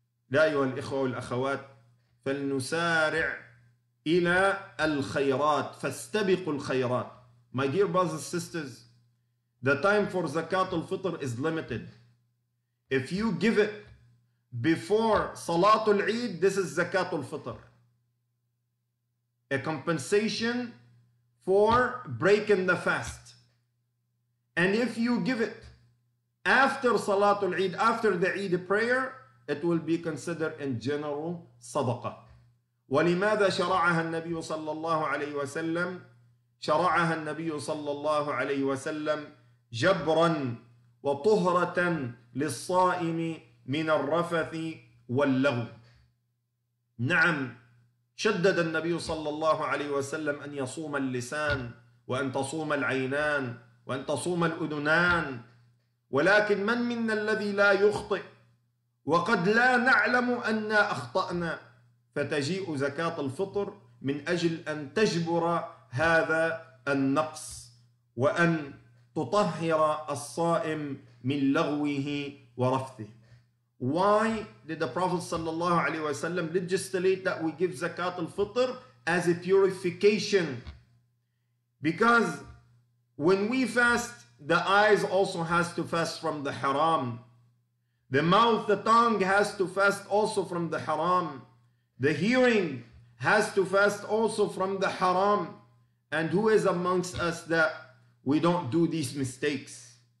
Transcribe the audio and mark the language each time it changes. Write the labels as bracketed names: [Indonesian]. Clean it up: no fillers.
[Arabic] لا أيها الإخوة والأخوات فلنسارع إلى الخيرات فاستبقوا الخيرات [English] My dear brothers and sisters the time for زكاة الفطر is limited if you give it Before Salatul Eid, this is Zakatul Fitr. A compensation for breaking the fast. And if you give it after Salatul Eid, after the Eid prayer, it will be considered in general sadaqah. [Arabic] ولماذا شرعها النبي صلى الله عليه وسلم؟ شرعها النبي صلى الله عليه وسلم جبرا وطهرة للصائم من الرفث واللغو نعم شدد النبي صلى الله عليه وسلم أن يصوم اللسان وأن تصوم العينان وأن تصوم الأذنان ولكن من منا الذي لا يخطئ وقد لا نعلم أننا أخطأنا فتجيء زكاة الفطر من أجل أن تجبر هذا النقص وأن تطهر الصائم من لغوه ورفثه [English] Why did the Prophet sallallahu alaihi wasallam legislate that we give zakat al-fitr as a purification? Because when we fast, the eyes also has to fast from the haram. The mouth, the tongue has to fast also from the haram. The hearing has to fast also from the haram. And who is amongst us that we don't do these mistakes?